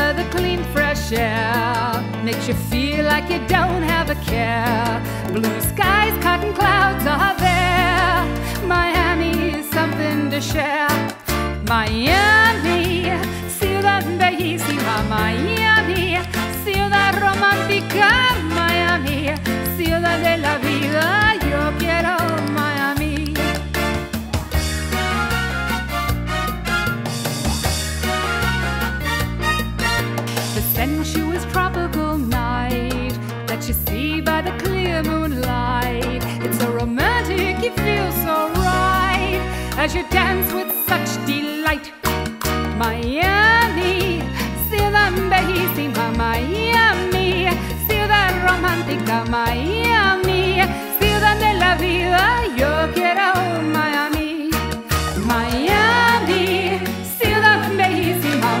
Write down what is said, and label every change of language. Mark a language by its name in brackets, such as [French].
[English] Clean fresh air makes you feel like you don't have a care. Blue skies, cotton clouds are there. Miami is something to share. [Spanish] Miami, ciudad bellísima. Miami, ciudad romántica. Miami, ciudad de la vida. Yo quiero Miami. [English] Sensuous tropical night that you see by the clear moonlight. It's so romantic, you feel so right as you dance with such delight. [Spanish] Miami, ciudad bellísima. Miami, ciudad romántica. Miami, ciudad de la vida. Yo quiero Miami. Miami, ciudad bellísima.